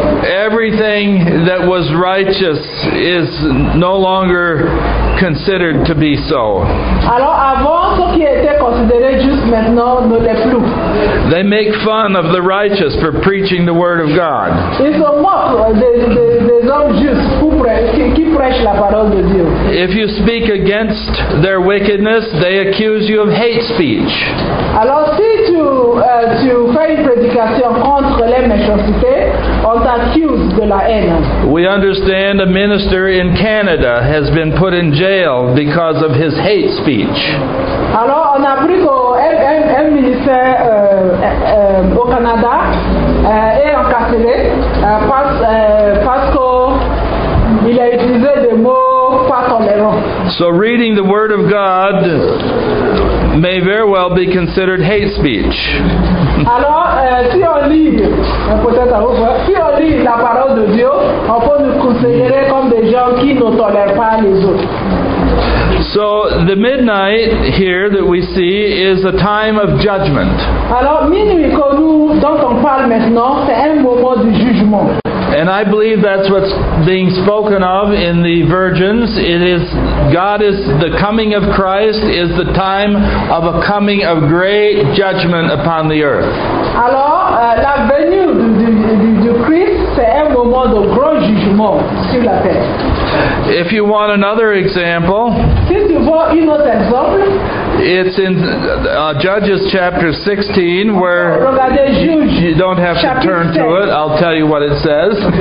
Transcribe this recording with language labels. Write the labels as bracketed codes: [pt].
[en] Everything that was righteous is no longer considered to be so. [fr] Alors avant, ce qui était considéré juste maintenant ne l'est plus. [en] They make fun of the righteous for preaching the word of God. [fr] Ils se moquent des hommes justes qui prêchent la parole de Dieu. [en] If you speak against their wickedness, they accuse you of hate speech. [fr] Alors si tu fais une prédication contre les méchancetés, on t'accuse de la haine. [en] We understand a minister in Canada has been put in jail because of his hate speech. [fr] Alors on a appris qu'un ministère au Canada est encarcéré parce qu'il a utilisé des mots pas tolérants. [en] So reading the word of God may very well be considered hate speech. [fr] Alors, si on lit, peut-être à vous, si on lit la parole de Dieu, on peut nous considérer comme des gens qui ne tolèrent pas les autres. [en] So the midnight here that we see is a time of judgment. [fr] Alors, minuit que nous, dont on parle maintenant, c'est un moment du jugement. [en] And I believe that's what's being spoken of in the virgins. It is, God is, the coming of Christ is the time of a coming of great judgment upon the earth. [fr] Alors, la venue du Christ, c'est un moment de grand jugement sur la terre. [en] If you want another example, [fr] si tu veux un autre exemple, [en] it's in Judges chapter 16, where you don't have to turn to it. I'll tell you what it says.